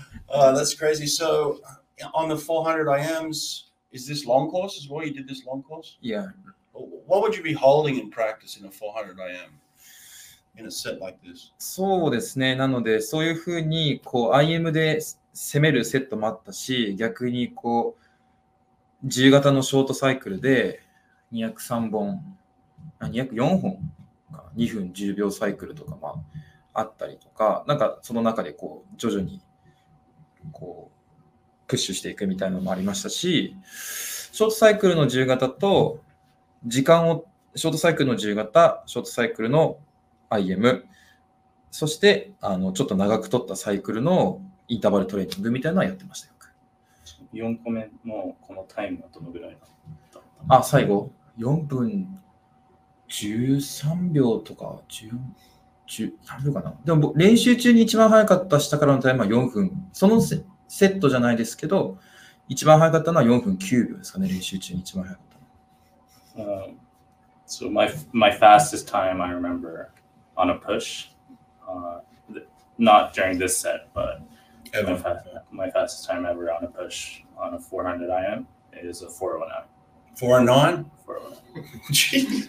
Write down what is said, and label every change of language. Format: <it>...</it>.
<en>That's crazy. So on the 400 IMs, is this long course as well? You did this long course? Yeah. What would you be holding in practice in a 400 IM? In a set like this.</en> <ja>そうですね。なので、そういうふうに、こう、IM で攻めるセットもあったし、逆に、こう、自由形のショートサイクルで、204本か、2分10秒サイクルとか、まあ、あったりとか、なんか、その中で、こう、徐々に、こう、プッシュしていくみたいなのもありましたし、ショートサイクルの自由形と、時間を、ショートサイクルの自由形、ショートサイクルのIM、そしてちょっと長く取ったサイクルのインターバルトレーニングみたいなのはやってましたよ。 4個目のこのタイムはどのぐらいだったの？あ、最後4分13秒とか13秒かな。でも練習中に一番早かった下からのタイムは4分、そのセットじゃないですけど一番早かったのは4分9秒ですかね。練習中に一番早かったの。</ja> <en>So my fastest time I rememberon a push, not during this set, but ever. My fastest time ever on a push on a 400 IM is a 409. 409? 409.</en>